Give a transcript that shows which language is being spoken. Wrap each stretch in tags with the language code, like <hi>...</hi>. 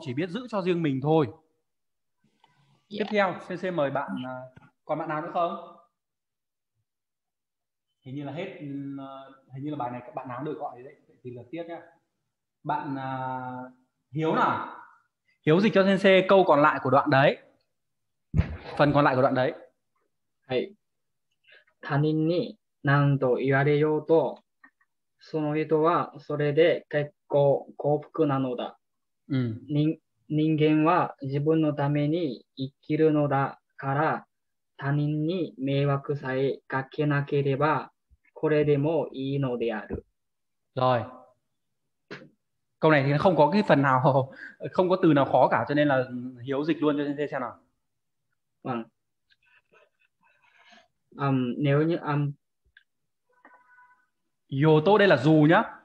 <vi>Chỉ biết giữ cho riêng mình thôi. Yeah. Tiếp theo, Sensei mời bạn, còn bạn nào nữa không? Hình như là bài này các bạn nào được gọi đấy thì là tiếc nhá. Bạn Hiếu nào? Hiếu dịch cho Sensei câu còn lại của đoạn đấy. Phần còn lại của đoạn đấy. Hey.</vi> <ja>他人に何と言われようと、その人はそれで結構幸福なのだ。人間は自分のために生きるのだから、他人に迷惑さえかけなければ、これでもいいのである。</ja> <vi>Rồi. Câu này thì không có cái phần nào, không có từ nào khó cả, cho nên là Hiếu dịch luôn cho nên xem nào. Vâng. Nếu như dù tôi đây là dù nhá.</vi>